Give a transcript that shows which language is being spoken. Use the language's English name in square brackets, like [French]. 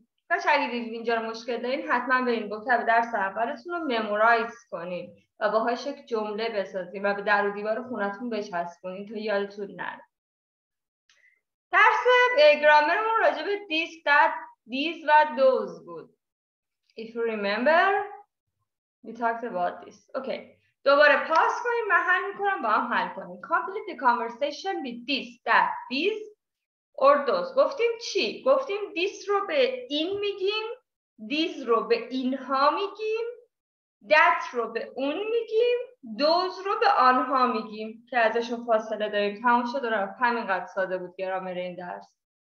[Persian] بچه اگه دیدید اینجا رو مشکل دارین حتما برین بکتب درس اولتون رو ممورایز کنین و باهاش یک جمله بسازین و به در و دیوار خونتون بچسبونین تا یادتون نره. درس گرامرمون راجع به دیس دات دیز و دوز بود. [English] If you remember we talked about this. Okay. [Persian] دوباره پاس کنیم من حل میکنم با هم حل کنیم. [English] Complete the conversation with this, that, these or those. [Persian] گفتیم چی؟ گفتیم this رو به این میگیم، these رو به اینها میگیم، that رو به اون میگیم، those رو به آنها میگیم که ازشون فاصله داریم. تموم شد و رفت. همینقدر ساده بود گرامر این درس.